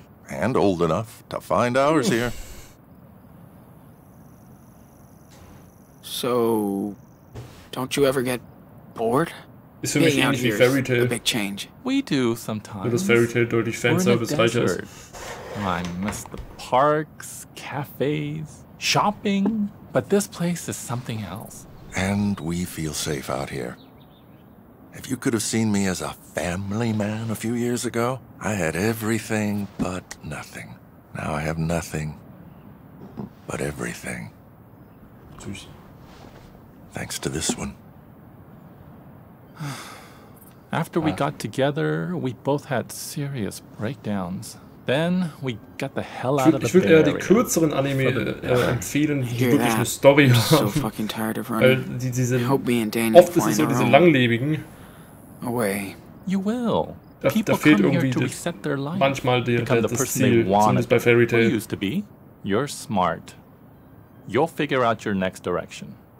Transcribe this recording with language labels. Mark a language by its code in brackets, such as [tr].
[en] And old enough to find ours here. So, don't you ever get bored? [de] Ist für mich ähnlich wie Fairy Tale. [en] A big change. We do sometimes. [de] Nur das Fairy Tale deutlich Fanservice-reicher ist. [en] I miss the parks, cafes, shopping, but this place is something else. And we feel safe out here. If you could have seen me as a family man a few years ago, I had everything but nothing. Now I have nothing but everything. Thanks to this one. After we got together, we both had serious breakdowns. Then we got the hell out of the Bay Area. [de] Ich würde eher die kürzeren Anime empfehlen, die wirklich eine Story haben. Weil oft ist es so diese langlebigen. [en] Away. You will. [de] Da fehlt irgendwie das, manchmal das Ziel, zumindest bei Fairy Tail. [en] Used to be. You're smart. You'll figure out your next direction.